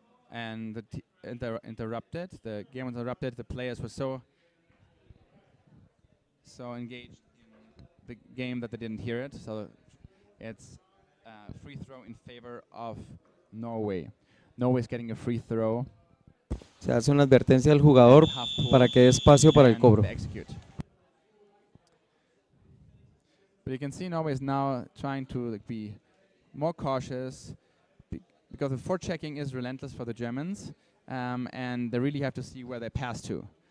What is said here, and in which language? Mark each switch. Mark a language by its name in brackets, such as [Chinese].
[English] Yeah. and the interrupted. The game was interrupted. The players were so engaged in the game that they didn't hear it. So it's a free throw in favor of Norway. Norway's getting a free throw. [Spanish] Se hace una advertencia al jugador para que dé espacio para el cobro. [English] But you can see Norway is now trying to be more cautious because the forechecking is relentless for the Germans, and they really have to see where they pass to.